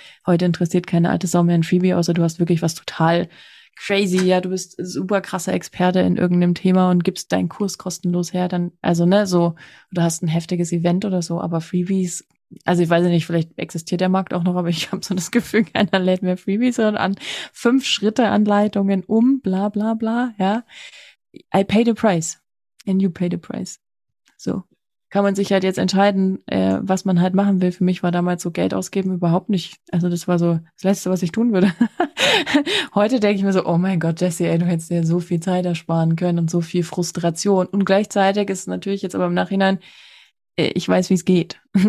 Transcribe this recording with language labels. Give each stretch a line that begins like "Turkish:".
German: Heute interessiert keine alte Sau mehr ein Freebie, außer du hast wirklich was total crazy. Ja, du bist super krasser Experte in irgendeinem Thema und gibst deinen Kurs kostenlos her. Dann, also ne, so, du hast ein heftiges Event oder so, aber Freebies. Also ich weiß nicht, vielleicht existiert der Markt auch noch, aber ich habe so das Gefühl, keiner lädt mehr Freebies an. 5-Schritte-Anleitungen um, bla bla bla, ja.
English: I pay the price and you pay the price.
German: So, kann man sich halt jetzt entscheiden, was man halt machen will. Für mich war damals so Geld ausgeben überhaupt nicht. Also das war so das Letzte, was ich tun würde. Heute denke ich mir so, oh mein Gott, Jesse, ey, du hättest dir so viel Zeit ersparen können und so viel Frustration. Und gleichzeitig ist es natürlich jetzt aber im Nachhinein, ich weiß, wie es geht.